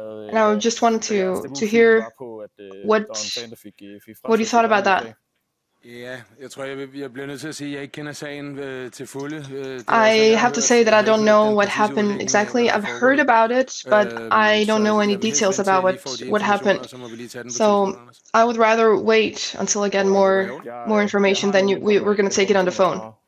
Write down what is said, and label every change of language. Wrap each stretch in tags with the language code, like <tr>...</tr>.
<en>And I just wanted to hear what you thought about that.</en> <da>Yeah, jeg tror, jeg bliver nødt til at sige, at jeg ikke kender sagen til fulde.</da> <en>I have to say that I don't know what happened exactly. I've heard about it, but I don't know any details about what happened. So I would rather wait until I get more information than we're going to take it on the phone.</en>